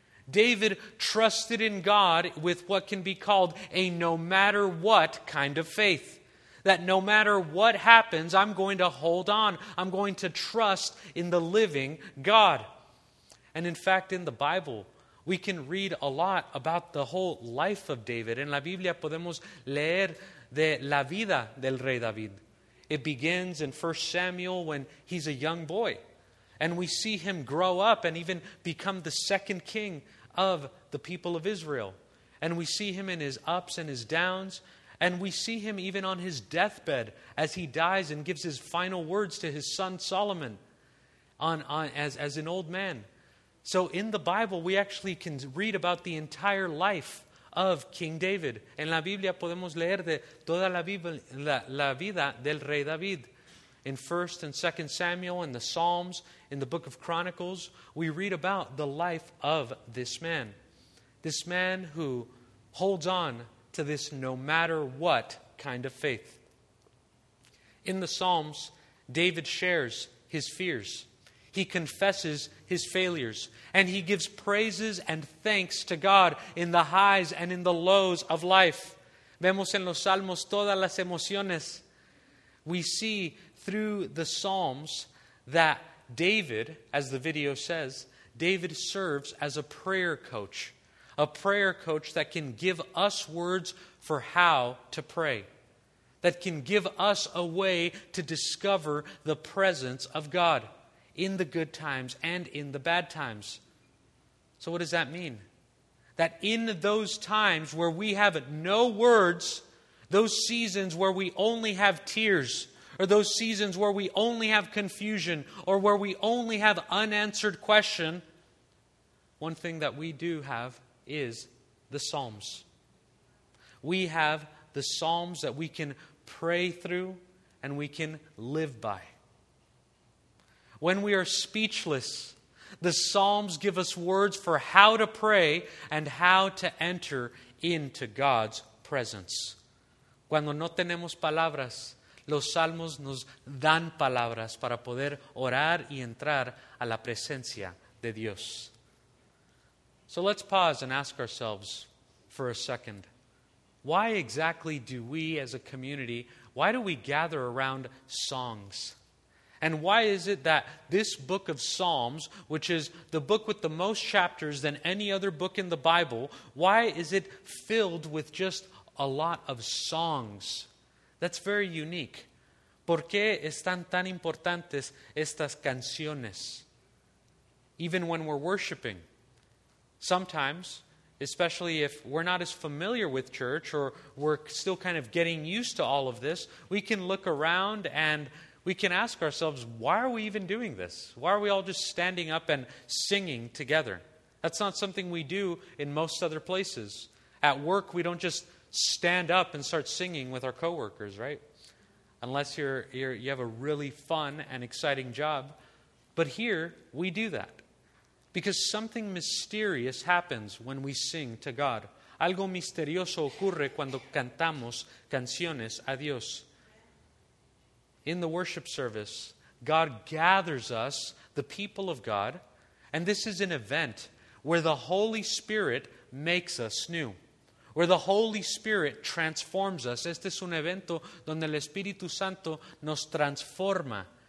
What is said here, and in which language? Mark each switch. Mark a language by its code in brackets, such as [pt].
[en] David trusted in God with what can be called a no matter what kind of faith. That no matter what happens, I'm going to hold on. I'm going to trust in the living God. And in fact, in the Bible, we can read a lot about the whole life of David. [es] En la Biblia podemos leer de la vida del rey David. [en] It begins in 1 Samuel when he's a young boy. And we see him grow up and even become the second king of the people of Israel. And we see him in his ups and his downs. And we see him even on his deathbed as he dies and gives his final words to his son Solomon as an old man. So in the Bible, we actually can read about the entire life of King David. [es] En la Biblia podemos leer de toda la vida del rey David. [en] In 1 and 2 Samuel, in the Psalms, in the book of Chronicles, we read about the life of this man. This man who holds on to this no matter what kind of faith. In the Psalms, David shares his fears. He confesses his failures. And he gives praises and thanks to God in the highs and in the lows of life. [es] Vemos en los Salmos todas las emociones. [en] We see through the Psalms that David, as the video says, David serves as a prayer coach. A prayer coach that can give us words for how to pray. That can give us a way to discover the presence of God in the good times and in the bad times. So what does that mean? That in those times where we have no words, those seasons where we only have tears, or those seasons where we only have confusion, or where we only have unanswered question, one thing that we do have is the Psalms. We have the Psalms that we can pray through and we can live by. When we are speechless, the Psalms give us words for how to pray and how to enter into God's presence. [es] Cuando no tenemos palabras, los Salmos nos dan palabras para poder orar y entrar a la presencia de Dios. [en] So let's pause and ask ourselves for a second. Why exactly do we as a community, why do we gather around songs? And why is it that this book of Psalms, which is the book with the most chapters than any other book in the Bible, why is it filled with just a lot of songs? That's very unique. [es] ¿Por qué están tan importantes estas canciones? [en] Even when we're worshiping, sometimes, especially if we're not as familiar with church or we're still kind of getting used to all of this, we can look around and we can ask ourselves, why are we even doing this? Why are we all just standing up and singing together? That's not something we do in most other places. At work, we don't just stand up and start singing with our coworkers, right? Unless you have a really fun and exciting job. But here, we do that. Because something mysterious happens when we sing to God. [es] Algo misterioso ocurre cuando cantamos canciones a Dios. [en] In the worship service, God gathers us, the people of God, and this is an event where the Holy Spirit makes us new, where the Holy Spirit transforms us. [es] Este es un evento donde el Espíritu Santo nos transforma.